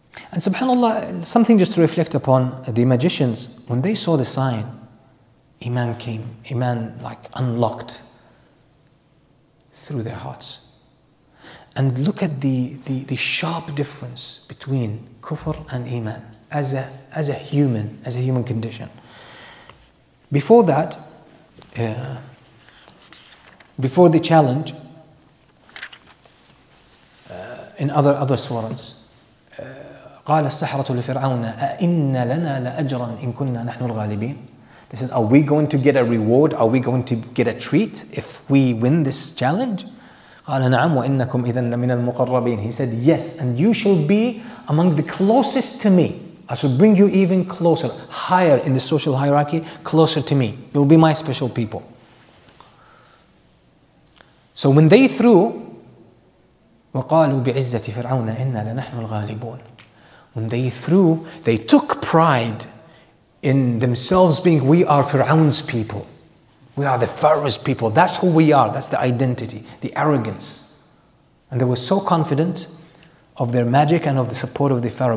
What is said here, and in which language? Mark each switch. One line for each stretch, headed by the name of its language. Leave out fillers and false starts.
English: And subhanAllah, something just to reflect upon, the magicians, when they saw the sign, Iman came, Iman like unlocked through their hearts. And look at the sharp difference between kufr and Iman as a human condition. Before that, before the challenge, in other surahs,
Arabic: قال السحرة لفرعون أإن لنا لأجرا إن كنا نحن الغالبين.
English: They said, are we going to get a reward? Are we going to get a treat if we win this challenge?
Arabic: قال نعم وإنكم إذا من المقربين.
English: He said, yes, and you shall be among the closest to me. I shall bring you even closer, higher in the social hierarchy, closer to me. You'll be my special people. So when they threw,
Arabic: وَقَالُوا بِعِزَّةِ فِرْعَوْنَ إِنَّا لَنَحْنُ الْغَالِبُونَ.
English: When they threw, they took pride in themselves being, we are Fir'aun's people. We are the Pharaoh's people. That's who we are. That's the identity, the arrogance. And they were so confident of their magic and of the support of the Pharaoh.